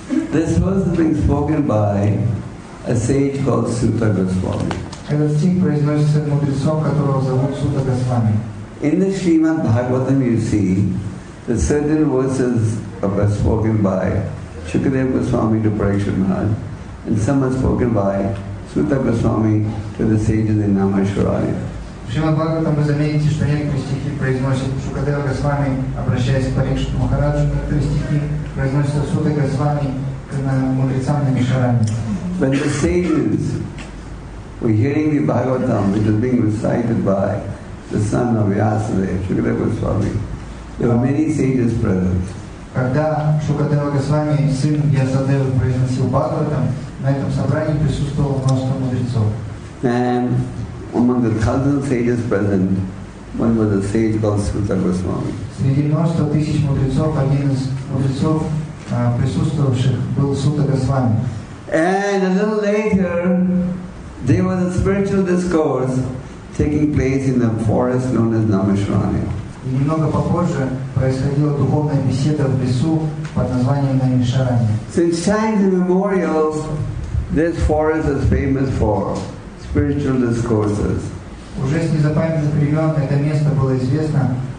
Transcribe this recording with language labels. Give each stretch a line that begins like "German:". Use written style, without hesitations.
English: This verse has been spoken by a sage called Sutta Goswami.
Russian: Этот стих произносится мудрецом, которого зовут Сута Госвами.
English: In the Srimad Bhagavatam, you see the certain verses are spoken by Shukadeva Goswami to Parikshit Maharaj, and some are spoken by Sutta Goswami to the sages in Namasharaya.
Russian: В Шримад Бхагаватам вы заметите, что некоторые стихи произносят Шукадева Госвами, обращаясь к Парикшит Махараджу, некоторые стихи произносятся Сутта Госвами к мудрецам Намишарани.
English: When the sages were hearing the Bhagavatam, which is being recited by the son of Vyasadeva, Shukadeva Goswami, there were many sages present.
Russian: Когда Шукадева Госвами, сын Вьясадевы, произносил Бхагаватам, на этом собрании присутствовало множество мудрецов.
English: And among the thousand sages present, one was a sage called Sutta Goswami.
Russian: Среди множества тысяч мудрецов, один из мудрецов, присутствовавших, был Сутта Госвами.
English: And a little later, there was a spiritual discourse taking place in the forest known as Namashrani.
Russian: Немного попозже происходила духовная беседа в лесу под названием Намишарани.
English: Since times immemorial, this forest is famous for spiritual discourses.
Russian: Уже с незапамятных времен это место было известно